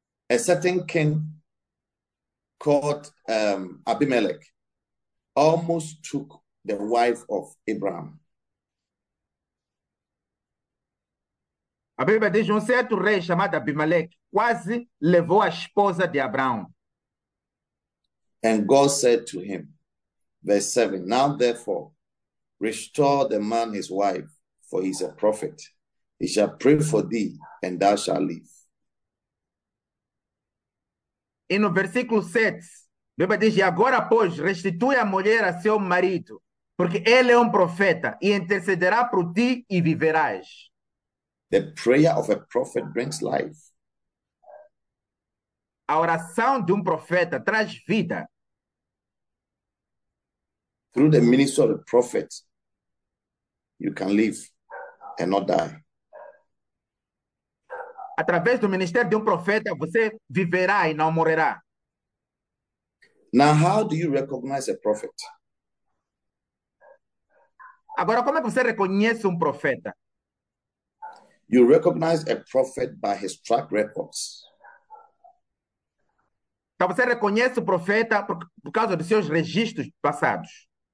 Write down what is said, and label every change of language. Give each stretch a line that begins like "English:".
English: a certain king called Abimelech almost took the wife of Abraham.
Portuguese: A Bíblia diz um certo rei chamado Abimelech quase levou a esposa de Abraão.
English: And God said to him, verse 7, now therefore, restore the man his wife, for he is a prophet. He shall pray for thee, and thou shalt live.
Portuguese: E no versículo 7, a Bíblia diz, e agora, pois, restitui a mulher a seu marido, porque ele é profeta, e intercederá por ti, e viverás.
English: The prayer of a prophet brings life.
Portuguese: A oração de profeta traz vida.
English: Through the ministry of the prophet, you can live and not die.
Portuguese: Através do ministério de profeta, você viverá e não morrerá.
English: Now, how do you recognize a prophet?
Portuguese: Agora, como é que você reconhece profeta?
English: You recognize a prophet by his track records.
Portuguese: Então, você reconhece profeta por causa dos seus registros passados.